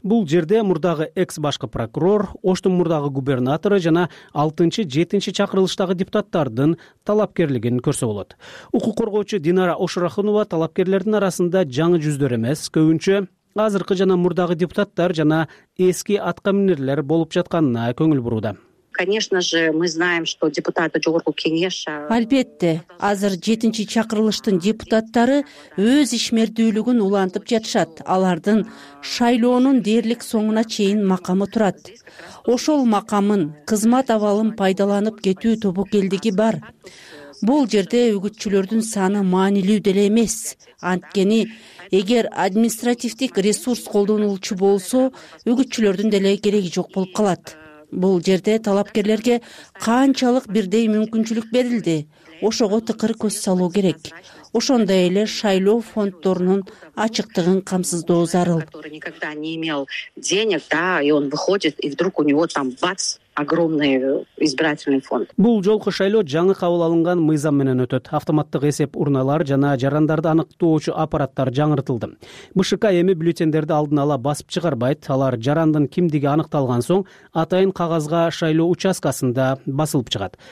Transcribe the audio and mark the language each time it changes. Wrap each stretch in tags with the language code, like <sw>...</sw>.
<ky>Бул жерде мурдагы экс башкы прокурор, Оштун мурдагы губернатору жана 6-7 чакырылыштагы депутаттардын талапкерлигин көрсө болот. Укук коргоочу Динара Ошурахынова талапкерлердин арасында жаңы жүздөр эмес, көбүнчө азыркы жана мурдагы депутаттар жана эски аткаминерлер болуп жатканына көңүл бурууда.</ky> <ru>Конечно же, мы знаем, что депутаты Жогорку Кеңеш.</ru> <ky>Албетте, азыр 7-чи чакырылыштын депутаттары өз ишмердүүлүгүн улантып жатышат. Алардын шайлоонун дээрлик соңуна чейин макамы турат. Ошол макамын, кызмат абалын пайдаланып кетүү тобокелдиги бар. Бул жерде үгүтчүлөрдүн саны маанилүү деле эмес. Анткени эгер административдик ресурс колдонулчу болсо, үгүтчүлөрдүн деле кереги жок болуп калат. Бул жерде талапкерлерге канчалык бирдей мүмкүнчүлүк берилди, ошого тыкыр көз салуу керек. Ошондой эле шайлоо фонддорунун ачыктыгын камсыздоо зарыл.</ky> <ru>Который никогда не имел денег, да, и он выходит, и вдруг у него там бац, огромный избирательный фонд.</ru> <ky>Бул жолку шайлоо жаңы кабыл алынган мыйзам менен өтөт. Автоматтык эсеп урналары жана жарандарды аныктоочу аппараттар жаңыртылды. БШК эми бюллетендерди алдын ала басып чыгарбайт. Алар жарандын кимдиги аныкталган соң атайын кагазга шайлоо участкасында басылып чыгат.</ky>